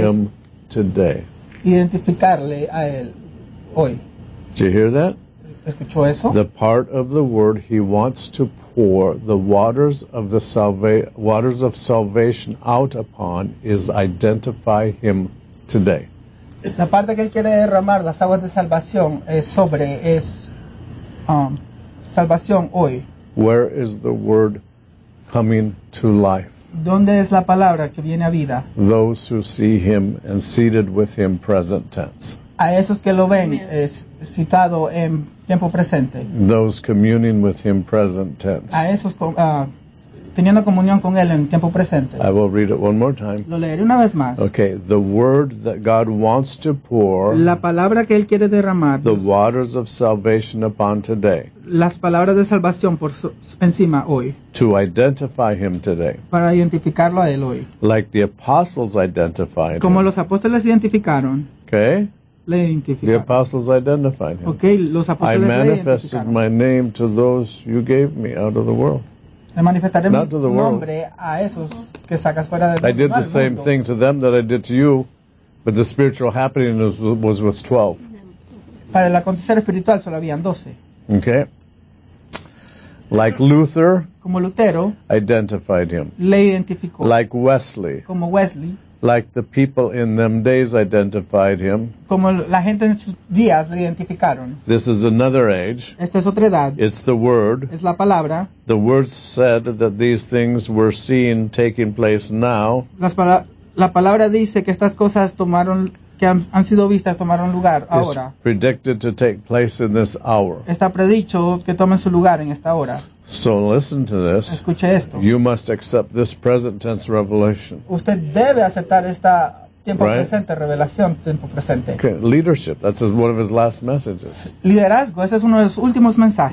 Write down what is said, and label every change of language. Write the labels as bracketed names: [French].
[English] him today. [Spanish] Identificarle a él hoy. [English] Did you hear that? [Spanish] ¿Escuchó eso? [English] The part of the word he wants to pour the waters of the waters of salvation out upon is identify him today. [Spanish] La parte que Él quiere derramar, las aguas de salvación, es sobre, es salvación hoy. [English] Where is the word coming to life? [Spanish] ¿Dónde es la palabra que viene a vida? [English] Those who see Him and seated with Him, present tense. [Spanish] A esos que lo ven, es citado en tiempo presente. [English] Those communing with Him, present tense. [Spanish] A esos teniendo comunión con Él en tiempo presente. [English] I will read it one more time. [Spanish] Lo leeré una vez más. [English] Okay, the word that God wants to pour. [Spanish] La palabra que Él quiere derramar. [English] The waters of salvation upon today. [Spanish] Las palabras de salvación por encima hoy. [English] To identify Him today. [Spanish] Para identificarlo a Él hoy. [English] Like the apostles identified Him. [Spanish] Como los apóstoles identificaron. [English] Okay. [Spanish] Le identificaron. [English] The apostles identified Him. [Spanish] Okay, los apóstoles [English] I manifested my name to those you gave me out of the world. [Spanish] Le manifestaré mi nombre a esos que sacas fuera del mundo. [English] I did the same thing to them that I did to you, but the spiritual happening was with 12. [Spanish] Para el acontecer espiritual solo habían 12. [English] Okay. Like Luther. [Spanish] Como Lutero. [English] Identified him. [Spanish] Le identificó. [English] Like Wesley. [Spanish] Como Wesley. [English] Like the people in them days identified him. [Spanish] Como la gente en sus días le identificaron. [English] This is another age. [Spanish] Esta es otra edad. [English] It's the word. [Spanish] Es la palabra. [English] The word said that these things were seen taking place now. [Spanish] La palabra dice que estas cosas tomaron, que han sido vistas, tomaron lugar ahora. [English] It's predicted to take place in this hour. [Spanish] Está predicho que tomen su lugar en esta hora. [English] So listen to this. [Spanish] Escuche esto. [English] You must accept this present tense revelation. [Spanish] Usted debe aceptar esta tiempo [English] right? [Spanish] presente revelación, tiempo presente. [English] Okay. Leadership. That's one of his last messages. [Spanish] Liderazgo. Ese es uno de sus últimos mensajes.